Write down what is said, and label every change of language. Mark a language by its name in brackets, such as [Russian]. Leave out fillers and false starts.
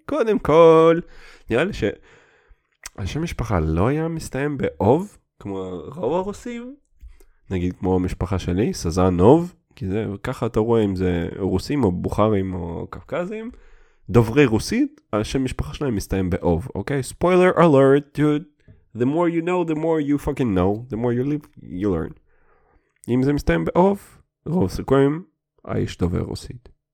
[Hebrew] קודם כל, נראה לי שהשם משפחה לא היה מסתיים באוב, כמו רוב הרוסים, נגיד כמו המשפחה שלי, סזנוב, כי זה ככה אתה רואה אם זה רוסים או בוחרים או קפקזים, דוברי רוסית, השם משפחה שלהם מסתיים באוב, אוקיי? [English] Spoiler alert, dude. The more you know, the more you fucking know. The more you live, you learn. [Hebrew] אם זה מסתיים באוב, רוב סיכויים, האיש דובר רוסית.